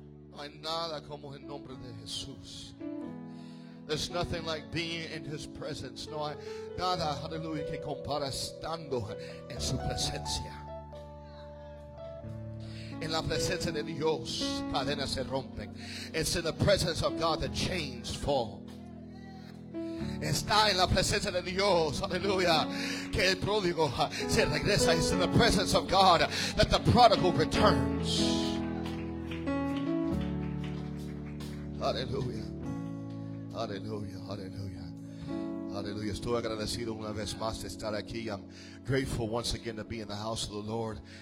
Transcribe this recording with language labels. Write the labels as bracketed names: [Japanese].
[Spanish] No hay nada como el nombre de Jesús. [English] There's nothing like being in his presence. [Spanish] No hay nada, hallelujah, que compara estando en su presencia. En la presencia de Dios, cadenas se rompen. [English] It's in the presence of God that chains fall. [Spanish] Está en la presencia de Dios, aleluya, que el pródigo se regresa. [English] It's in the presence of God that the prodigal returns. [Spanish] Aleluya, aleluya, aleluya, aleluya. Estoy agradecido una vez más de estar aquí. [English] I'm grateful once again to be in the house of the Lord.